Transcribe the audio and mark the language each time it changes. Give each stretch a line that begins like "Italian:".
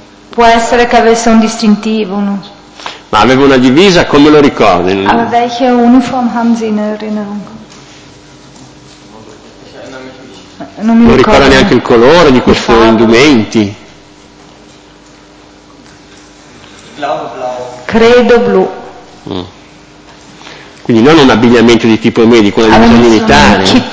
Italian: Può essere che avesse un distintivo. Non so. Ma aveva una divisa, come lo ricordi?
German: Aber welche Uniform haben Sie in Erinnerung?
Italian: Non mi ricorda neanche il colore di questi indumenti. Credo blu. Quindi non un abbigliamento di tipo medico, una divisa militare.